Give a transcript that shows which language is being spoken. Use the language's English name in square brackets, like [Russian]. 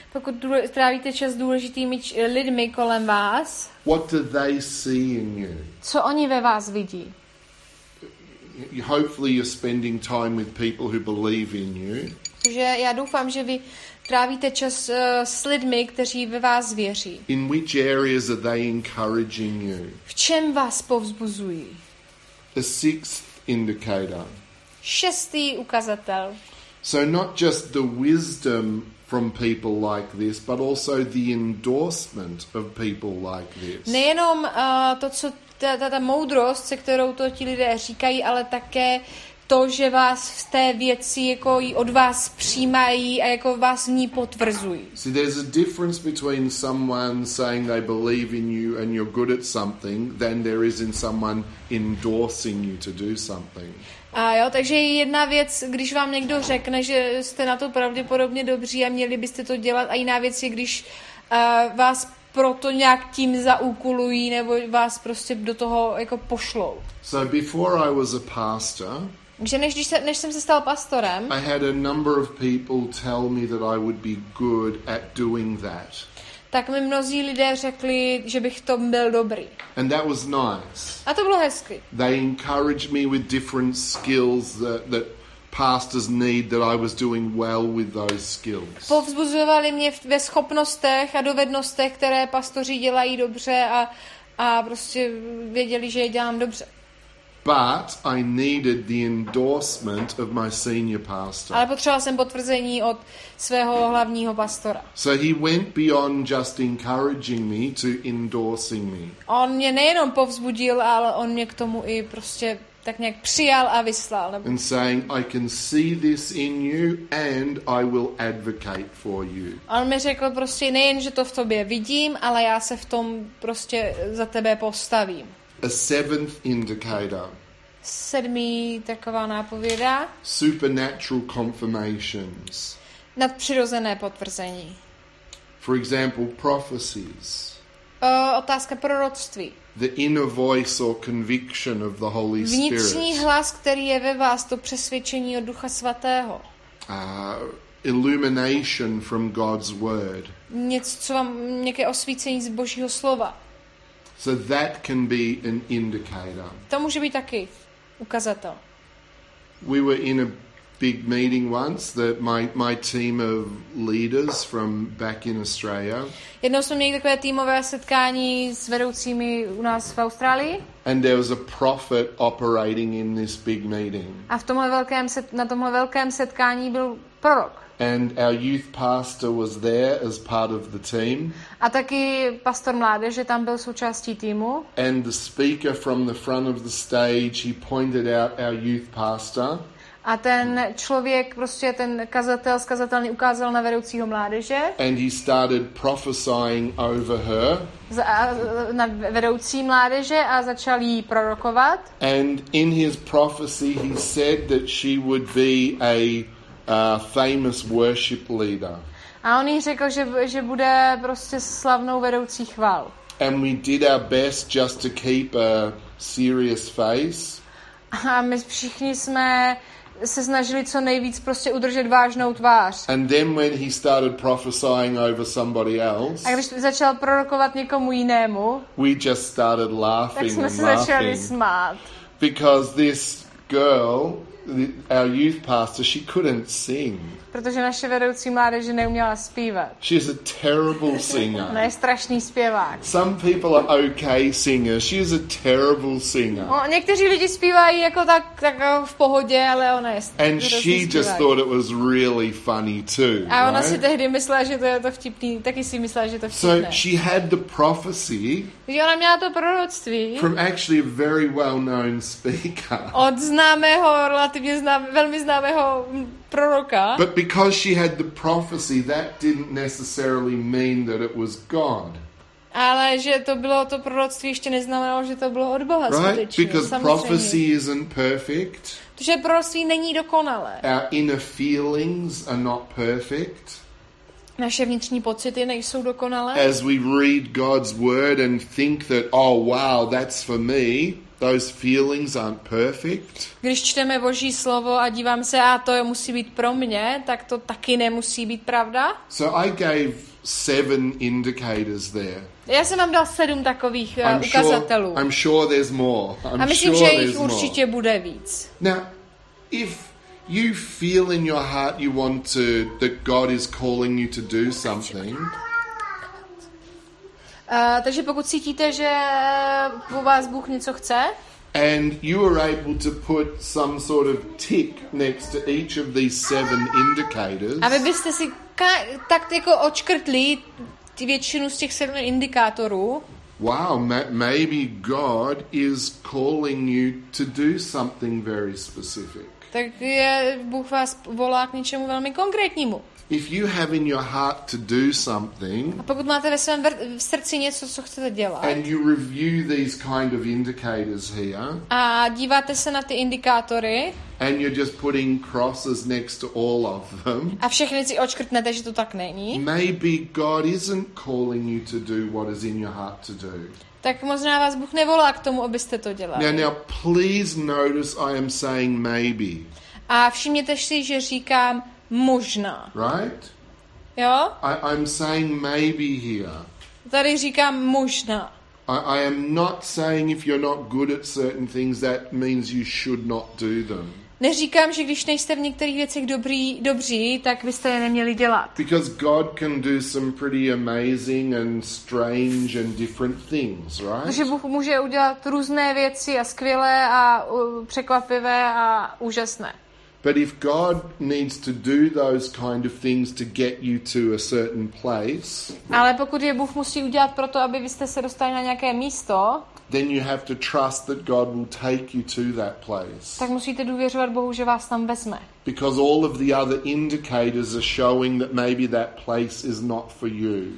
[Czech] pokud trávíte čas s důležitými lidmi kolem vás, [English] what do they see in you? [Czech] Co oni ve vás vidí? [English] Hopefully you're spending time with people who believe in you. [Czech] Takže já doufám, že vy trávíte čas s lidmi, kteří ve vás věří. [English] In which areas are they encouraging you? [Czech] V čem vás povzbuzují? [English] The sixth indicator. [Czech] Šestý ukazatel. [English] So not just the wisdom from people like this, but also the endorsement of people like this. [Czech] Nejenom to, co ta moudrost, se kterou to ti lidé říkají, ale také to, že vás v té věci jako od vás přijímají a jako vás v ní potvrzují. [English] See, there's a difference between someone saying they believe in you and you're good at something than there is in someone endorsing you to do something. [Czech] A jo, takže je jedna věc, když vám někdo řekne, že jste na to pravděpodobně dobří a měli byste to dělat, a jiná věc je, když vás proto nějak tím zaúkolují nebo vás prostě do toho jako pošlou. [English] So before I was a pastor, [Czech] Než jsem se stal pastorem, [English] I had a number of people tell me that I would be good at doing that. [Czech] Tak mi mnozí lidé řekli, že bych to byl dobrý. [English] And that was nice. [Czech] A to bylo hezky. [English] They encouraged me with different skills that pastors need, that I was doing well with those skills. [Czech] Povzbuzovali mě ve schopnostech a dovednostech, které pastoři dělají dobře, a prostě věděli, že je dělám dobře. [English] But I needed the endorsement of my senior pastor. [Czech] Ale potřeboval jsem potvrzení od svého hlavního pastora. [English] So he went beyond just encouraging me to endorsing me. [Czech] On mě nejenom povzbudil, ale on mě k tomu i prostě tak nějak přijal a vyslal. [English] And saying, I can see this in you and I will advocate for you. [Czech] On mi řekl prostě, nejen že to v tobě vidím, ale já se v tom prostě za tebe postavím. [English] A seventh indicator. [Czech] Sedmý taková nápověda. [English] Supernatural confirmations. [Czech] Nadpřirozené potvrzení. [English] For example, prophecies. [Czech] Otázka proroctví. [English] The inner voice or conviction of the Holy [Czech] Vnitřní [English] Spirit. [Czech] Vnitřní hlas, který je ve vás, to přesvědčení od Ducha Svatého. [English] Illumination from God's word. [Czech] Něco, co vám, nějaké osvícení z Božího slova. [English] So that can be an indicator. [Czech] To může být taky ukazatel. [English] We were in a big meeting once that my team of leaders from back in Australia. [Czech] Jednou jsme měli takové týmové setkání s vedoucími u nás v Austrálii. [English] And there was a prophet operating in this big meeting. [Czech] A v tomhle velkém na tomhle velkém setkání byl prorok. [English] And our youth pastor was there as part of the team. [Czech] A taky pastor mládeže tam byl součástí týmu. [English] And the speaker from the front of the stage, he pointed out our youth pastor. [Czech] A ten člověk, prostě ten kazatel, zkazatelný, ukázal na vedoucího mládeže. [English] And he started prophesying over her. [Czech] Na vedoucí mládeže a začal jí prorokovat. [English] And in his prophecy he said that she would be a famous worship leader. [Czech] A on jí řekl, že bude prostě slavnou vedoucí chval. [English] And we did our best just to keep a serious face. [Czech] A my všichni jsme se snažili co nejvíc prostě udržet vážnou tvář. [English] And then when he started prophesying over somebody else. [Czech] A když začal prorokovat někomu jinému. [English] We just started laughing. [Czech] Tak jsme se začali smát. [English] Because this girl, our youth pastor, she couldn't sing. [Czech] Protože naše vedoucí mládeže neuměla zpívat. [English] She's a terrible singer. [Czech] Ona je strašný zpěvák. [English] Some people are okay singers. She is a terrible singer. [Czech] No, někteří lidi zpívají jako tak v pohodě, ale ona je strašný. [English] And she just thought it was really funny too. [Czech] A ona [English] right? [Czech] si tehdy myslela, že to je to vtipný. Taky si myslela, že to vtipné. [English] So she had the prophecy. [Czech] Že ona měla to proroctví. [English] From actually a very well-known speaker. [Czech] Od známého, relativně velmi známého proroka. [English] But because she had the prophecy, that didn't necessarily mean that it was God. [Czech] Ale že to bylo to proroctví, ještě neznamenalo, že to bylo od Boha skutečně. [English] Right? Because prophecy isn't perfect. [Czech] Protože proroctví není dokonalé. [English] Our inner feelings are not perfect. [Czech] Naše vnitřní pocity nejsou dokonalé. [English] As we read God's word and think that, oh wow, that's for me. Those feelings aren't perfect. [Czech] Když čteme Boží slovo a dívám se, a to musí být pro mě, tak to taky nemusí být pravda. [English] So I gave seven indicators there. [Czech] Já jsem vám dal sedm takových ukazatelů. [English] I'm sure there's more. [Czech] A myslím, [English] sure [Czech] že jich určitě bude víc. [English] Now, if you feel in your heart you want to, that God is calling you to do something. [Czech] Takže pokud cítíte, že po vás Bůh něco chce, [English] And you were able to put some sort of tick next to each of these seven indicators. [Czech] A vy byste si tak jako odškrtli většinu z těch sedm indikátorů. [English] Wow, maybe God is calling you to do something very specific. [Czech] Tak je Bůh vás volá k něčemu velmi konkrétnímu. [English] If you have in your heart to do something, [Czech] a pokud máte ve svém v srdci něco, co chcete dělat, [English] and you review these kind of indicators here, [Czech] a díváte se na ty indikátory, [English] and you're just putting crosses next to all of them, [Czech] a všechny si odškrtnete, že to tak není, [English] maybe God isn't calling you to do what is in your heart to do. [Czech] Tak možná vás Bůh nevolá k tomu, abyste to dělali. [English] Now please notice I am saying maybe. [Czech] A všimněte si, že říkám možná. [English] Right? [Czech] Jo? [English] I'm saying maybe here. [Czech] Tady říkám možná. [English] I am not saying if you're not good at certain things that means you should not do them. [Czech] Neříkám, že když nejste v některých věcech dobří, tak byste je neměli dělat. [English] Because God can do some pretty amazing and strange and different things, right? [Czech] Protože Bůh může udělat různé věci a skvělé a překvapivé a úžasné. [English] But if God needs to do those kind of things to get you to a certain place, [Czech] ale pokud je Bůh musí udělat proto, aby byste se dostali na nějaké místo, [English] then you have to trust that God will take you to that place. [Czech] Tak musíte důvěřovat Bohu, že vás tam vezme. [English] Because all of the other indicators are showing that maybe that place is not for you.